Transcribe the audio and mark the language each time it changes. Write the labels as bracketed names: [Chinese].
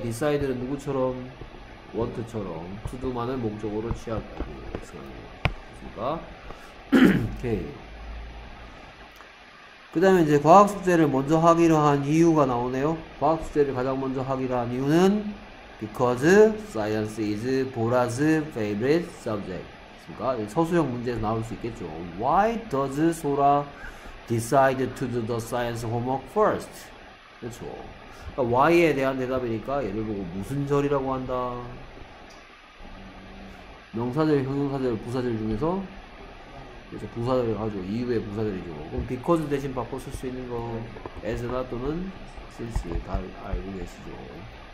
[Korean] decide는 누구처럼? want처럼 to do만을 목적으로 취하고 됐습니까? 오케이. 그 다음에 이제 과학숙제를 먼저 하기로 한 이유가 나오네요. 과학숙제를 가장 먼저 하기로 한 이유는 [English] because science is 보라's favorite subject. [Korean] 그러니까 서술형 문제에서 나올 수 있겠죠. [English] Why does 소라 decide to do the science homework first? [Korean] 그렇죠. 그러니까 why에 대한 대답이니까 예를 보고 무슨 절이라고 한다. 명사절, 형용사절, 부사절 중에서 그래서 부사절을 가지고 이후에 부사절이죠. 그럼 because 대신 바꿔쓸 수 있는 거 as나 또는 since 다 알고 계시죠.